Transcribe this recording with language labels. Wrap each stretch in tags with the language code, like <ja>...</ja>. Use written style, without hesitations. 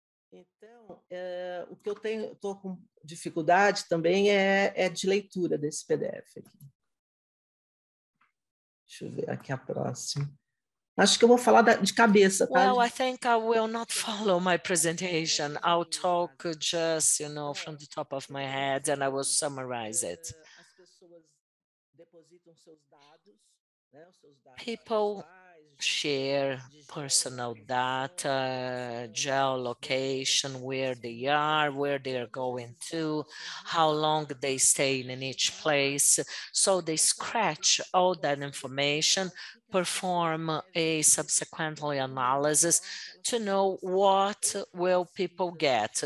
<pt>Então, o que eu tenho, estou com dificuldade também é de leitura desse PDF aqui. Deixa eu ver aqui a próxima. Acho que eu vou falar de cabeça, tá?</pt> <en>Well, I think I will not follow my presentation. I'll talk just, you know, from the top of my head and I will summarize it.</en> <pt>As pessoas depositam seus dados, né, os seus dados.</pt> <en>People share personal data, geolocation, where they are going to, how long they stay in each place. So they scratch all that information, perform a subsequent analysis to know what will people get.</en>